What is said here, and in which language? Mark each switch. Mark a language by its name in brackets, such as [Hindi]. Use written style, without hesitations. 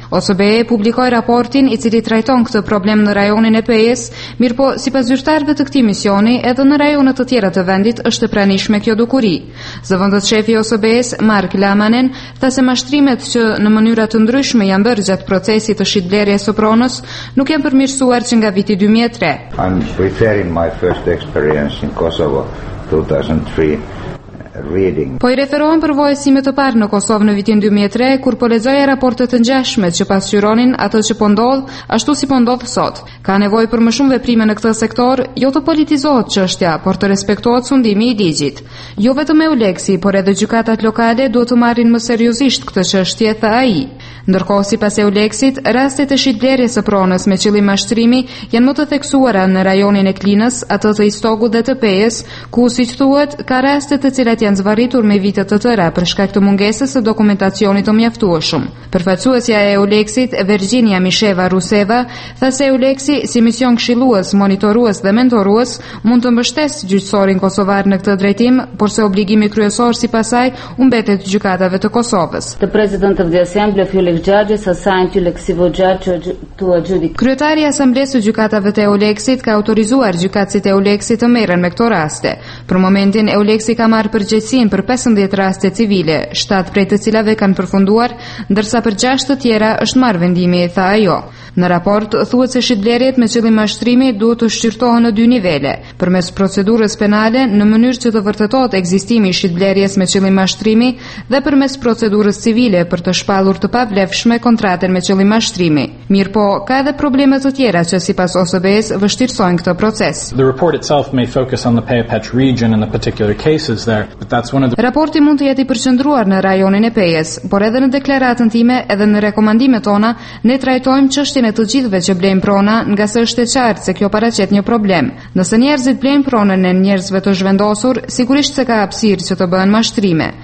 [Albanian] OSBE publikoi raportin i cili trajton këtë problem në rajonin e PE-s, mirëpo sipas zyrtarëve të këtij misioni, edhe në rajone të tjera të vendit është e pranishme kjo dukuri. Zëvendës shefi i OSBE-s, Mark Lamanen, tha se mashtrimet që në mënyra të ndryshme janë bërë gjatë procesit të shitblerjes së pronës, nuk janë përmirësuar që nga viti 2003. [English] I'm referring my first experience in Kosovo 2003. Reading. [Albanian] Po i referohen për vojësimet të parë në Kosovë në vitin 2003, kur po lexoja raportet të ngjashme që pasqyronin atë që po ndodh, ashtu si po ndodh sot. Ka nevojë për më shumë veprime në këtë sektor, jo të politizohet çështja, por të respektohet sundimi i ligjit. Jo vetëm EULEX-i, por edhe gjykatat lokale duhet të marrin më seriozisht këtë çështje, tha ai. Ndërkohë, sipas EULEX-it, rastet e shitblerjes së pronës me qëllim mashtrimi janë më të theksuara në rajonin e Klinës, atë të Istogut dhe të PE-s, ku siç thuhet, ka raste të cilat janë zvarritur me vite të tëra për shkak të mungesës së dokumentacionit të mjaftueshëm. Përfaqësuesja e EULEX-it, Virginia Misheva Ruseva, tha se EULEX-i si mision këshillues, monitorues dhe mentorues mund të mbështesë gjyqësorin kosovar në këtë drejtim, por se obligimi kryesor sipas saj u mbetet gjykatave të Kosovës. [English] The President of the Assembly of EULEX Judges assigned EULEX to adjudicate. [Albanian] Kryetari i Asamblesë së Gjykatave të EULEX-it ka autorizuar gjykatësit e EULEX-it të merren me këto raste. Për momentin EULEX-i ka marrë përgjegjësinë për 15 raste civile, 7 prej të cilave kanë përfunduar, ndërsa për 6 të tjera është marrë vendimi, tha ajo. Në raport, thuhet se shitblerjet me qëllim mashtrimi duhet të shqyrtohen në dy nivele, përmes procedurës penale në mënyrë që të vërtetohet ekzistimi i shitblerjes me qëllim mashtrimi dhe përmes procedurës civile për të shpallur të pavlefshme kontratën me qëllim mashtrimi. Mirë po, ka edhe probleme të tjera që sipas OSBE-s vështirësojnë këtë proces. [English] The report itself may focus on the Peyepech region and the particular cases there, but that's one of the... [Albanian] Raporti mund të jetë i përqendruar në rajonin e Peyes, por edhe në deklaratën time edhe në rekomandimet tona ne trajtojmë çështjen e të gjithëve që blejnë prona, nga se është e qartë se kjo paraqet një problem. Nëse njerëzit blejnë pronën e njerëzve të zhvendosur, sigurisht se ka hapësirë që të bëhen mashtrime.